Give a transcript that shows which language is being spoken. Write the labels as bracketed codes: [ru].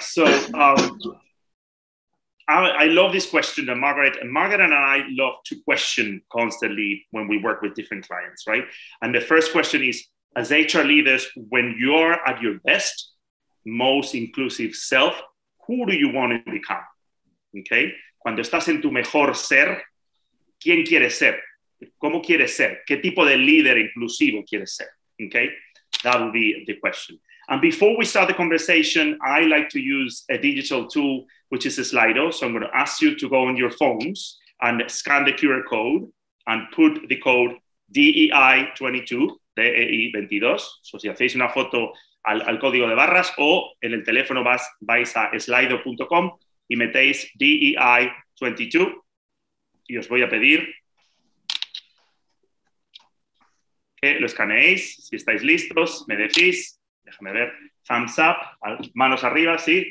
[en] So I love this question that Margaret and I love to question constantly when we work with different clients, right? And the first question is, as HR leaders, when you're at your best, most inclusive self, who do you want to become? Okay. [es] cuando estás en tu mejor ser, ¿quién quieres ser? ¿Cómo quieres ser? ¿Qué tipo de líder inclusivo quieres ser? [en] Okay, that would be the question. And before we start the conversation, I like to use a digital tool, which is a Slido. So I'm going to ask you to go on your phones and scan the QR code and put the code DEI22. [es] So si hacéis una foto al código de barras o en el teléfono vais a slido.com y metéis DEI22 y os voy a pedir que lo escaneéis. Si estáis listos, me decís, déjame ver, [en] thumbs up, [es] manos arriba, ¿sí?